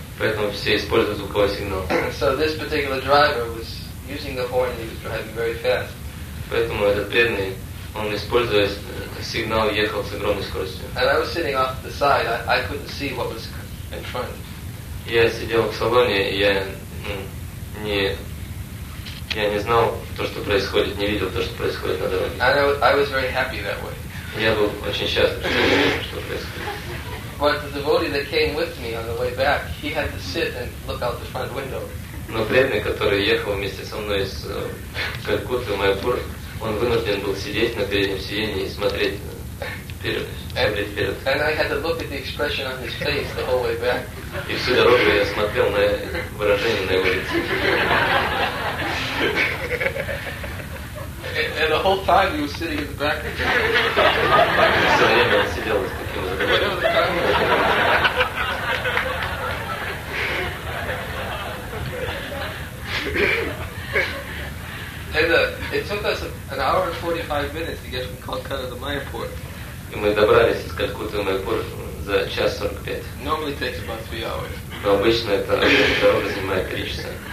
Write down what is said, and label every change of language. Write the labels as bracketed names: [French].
[Russian] Поэтому все используют звуковой сигнал. [English] So this particular driver was using the horn. He was driving very fast. [Russian] Поэтому этот преданный, он используя сигнал, ехал с огромной скоростью. [English] And I was sitting off the side. I couldn't see what was in front. [Russian] Я сидел в салоне, я не знал то, что происходит, не видел то, что происходит на дороге. [English] And I was very happy that way. [Russian] Я был очень счастлив, что происходит. [English] But the devotee that came with me on the way back, he had to sit and look out the front window. [Russian] Но преданный, который ехал вместе со мной из Калькутты в Майпур, он вынужден был сидеть на переднем сиденье и смотреть вперед. [English] And I had to look at the expression on his face the whole way back. [Russian] И всю дорогу я смотрел на выражение на его лице. [English] And the whole time he was sitting in the back. [Russian] Все время он сидел с таким задумом. [English] And it took us an hour and 45 minutes to get from Calcutta to Mayapur. [Russian] И мы добрались из Калькутты в Майпур за 1:45. [English] Normally takes about 3 hours. [Russian] Но обычно это дорога занимает 3 часа.